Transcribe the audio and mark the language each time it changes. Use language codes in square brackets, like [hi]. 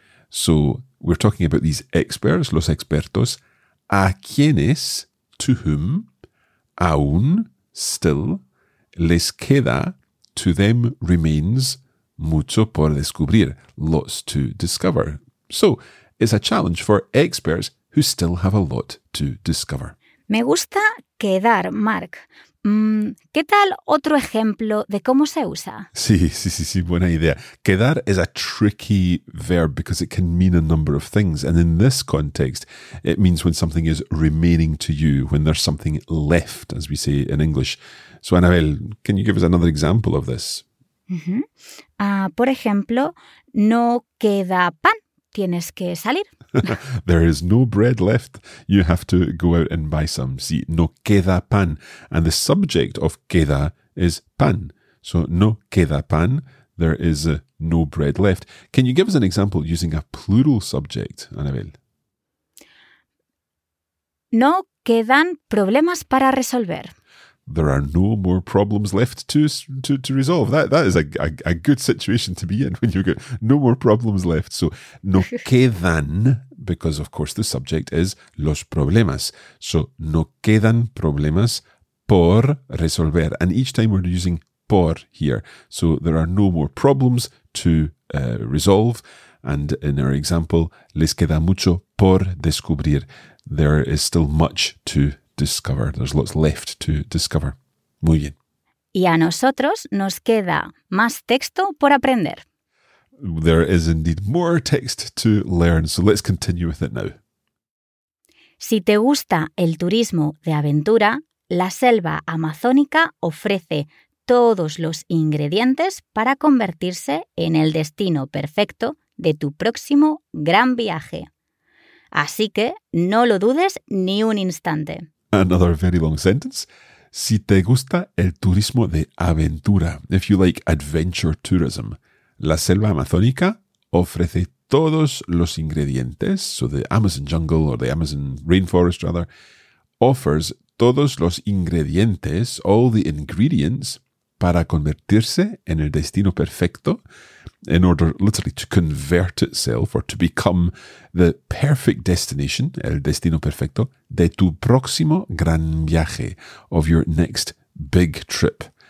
[en] So we're talking about these experts, [es] los expertos, a quienes, [en] to whom, aún, still, [es] les queda, [en] to them remains, [es] mucho por descubrir, [en] lots to discover. So it's a challenge for experts who still have a lot to discover. [es] Me gusta quedar, Mark. ¿Qué tal otro ejemplo de cómo se usa? Sí, buena idea. [en] Quedar is a tricky verb because it can mean a number of things. And in this context, it means when something is remaining to you, when there's something left, as we say in English. So, Anabel, can you give us another example of this? Uh-huh. [es] Por ejemplo, no queda pan. Tienes que salir. [en] There is no bread left. You have to go out and buy some. [es] Sí, no queda pan. [en] And the subject of queda is pan. So [es] no queda pan. [en] There is no bread left. Can you give us an example using a plural subject, Anabel? [es] No quedan problemas para resolver. [en] There are no more problems left to resolve. That is a good situation to be in when you've got no more problems left. So, [es] no quedan, [en] because of course the subject is [es] los problemas. [en] So, no quedan problemas por resolver. And each time we're using por here. So, there are no more problems to resolve. And in our example, [es] les queda mucho por descubrir. [en] There is still much to discover. There's lots left to discover. [es] Muy bien. Y a nosotros nos queda más texto por aprender. [en] There is indeed more text to learn, so let's continue with it now. [es] Si te gusta el turismo de aventura, la selva amazónica ofrece todos los ingredientes para convertirse en el destino perfecto de tu próximo gran viaje. Así que no lo dudes ni un instante. [en] Another very long sentence. [es] Si te gusta el turismo de aventura, [en] if you like adventure tourism, [es] la selva amazónica ofrece todos los ingredientes, [en] so the Amazon jungle or the Amazon rainforest rather, offers [es] todos los ingredientes, [en] all the ingredients, [es] para convertirse en el destino perfecto, [en] in order literally to convert itself or to become the perfect destination, el destino perfecto, [es] de tu próximo gran viaje, [en] of your next big trip.